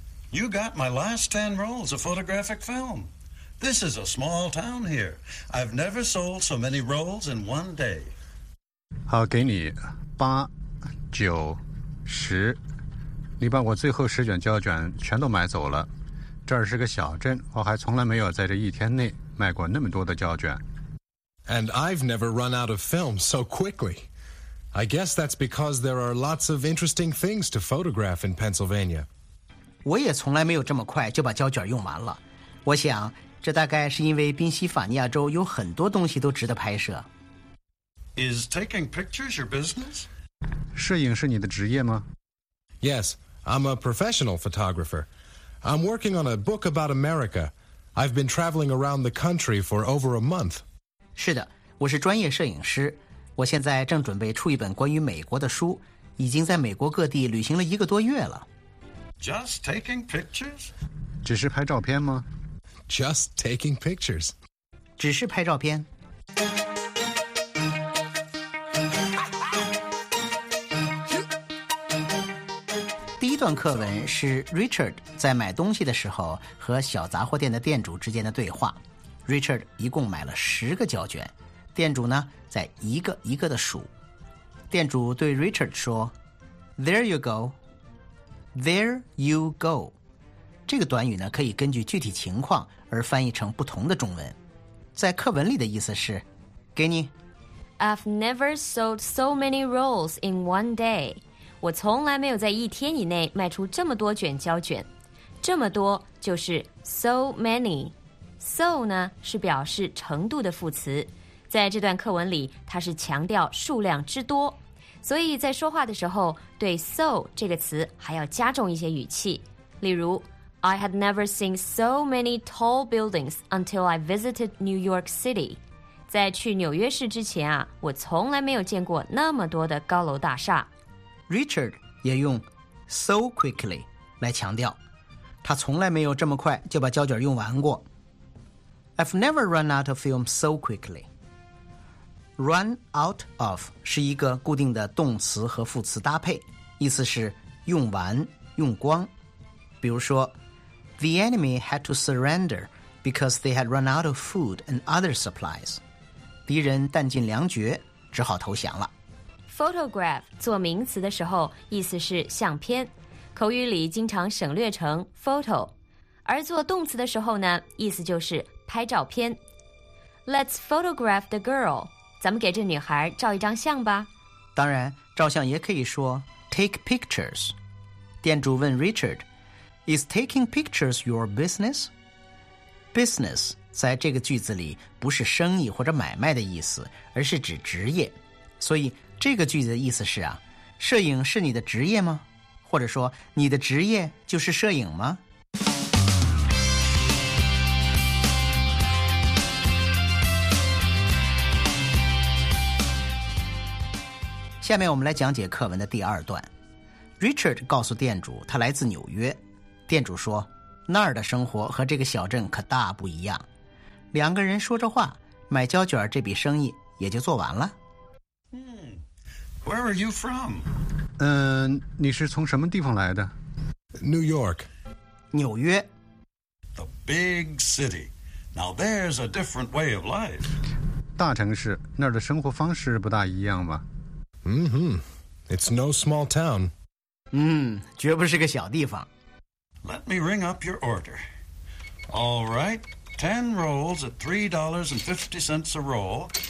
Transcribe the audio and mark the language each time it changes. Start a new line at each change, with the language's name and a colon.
English: You got my last 10 rolls of photographic film. This is a small town here. I've never sold so many rolls in one day.
Chinese: 好，给你八、九、十。你把我最后十卷胶卷全都买走了。这儿是个小镇，我还从来没有在这一天内卖过那么多的胶卷。
English: And I've never run out of film so quickly. I guess that's because there are lots of interesting things to photograph in Pennsylvania.
Chinese: 我也从来没有这么快就把胶卷用完了。我想，这大概是因为宾夕法尼亚州有很多东西都值得拍摄。
English: Is taking pictures your business?
Chinese: 摄影是你的职业吗？
English: Yes, I'm a professional photographer. I'm working on a book about America. I've been traveling around the country for over a month.
Chinese: 是的，我是专业摄影师，我现在正准备出一本关于美国的书，已经在美国各地旅行了一个多月了。
English: Just taking pictures?
Chinese: 只是拍照片吗？
English: Just taking pictures.
Chinese: 只是拍照片。第一段课文是 Richard 在买东西的时候和小杂货店的店主之间的对话。 Richard 一共买了十个胶卷，店主呢在一个一个的数。店主对 Richard 说 ：
English: “There you go, there you go。”
Chinese: 这个短语呢可以根据具体情况而翻译成不同的中文。在课文里的意思是：“给你。
English: ”I've never sold so many rolls in one day。
Chinese: 我从来没有在一天以内卖出这么多卷胶卷。这么多就是 so many。So 呢是表示程度的副词，在这段课文里它是强调数量之多，所以在说话的时候对 so 这个词还要加重一些语气。例如
English: I had never seen so many tall buildings until I visited New York City.
Chinese: 在去纽约市之前啊，我从来没有见过那么多的高楼大厦。 Richard 也用 so quickly 来强调他从来没有这么快就把胶卷用完过。
English: I've never run out of film so quickly.
Chinese: Run out of 是一个固定的动词和副词搭配，意思是用完、用光。比如说
English: ，The enemy had to surrender because they had run out of food and other supplies.
Chinese: 敌人弹尽粮绝，只好投降了。 Photograph 做名词的时候，意思是相片，口语里经常省略成 photo， 而做动词的时候呢，意思就是。拍照片
English: Let's photograph the girl
Chinese: 咱们给这女孩照一张相吧当然照相也可以说 Take pictures 店主问 Richard
English: Is taking pictures your business?
Chinese: Business 在这个句子里不是生意或者买卖的意思而是指职业所以这个句子的意思是啊，摄影是你的职业吗或者说你的职业就是摄影吗下面我们来讲解课文的第二段。 Richard 告诉店主他来自纽约。店主说那儿的生活和这个小镇可大不一样。两个人说着话买胶卷这笔生意也就做完了。
English: Where are you from?
Chinese: 你是从什么地方来的？
English: New York.
Chinese: 纽约。
English: The big city. Now there's a different way of life.
Chinese: 大城市，那儿的生活方式不大一样吧？
English: Mm-hmm. It's no small town.
Chinese: 绝不是个小地方。
English: Let me ring up your order. All right. 10 rolls at $3.50 a roll.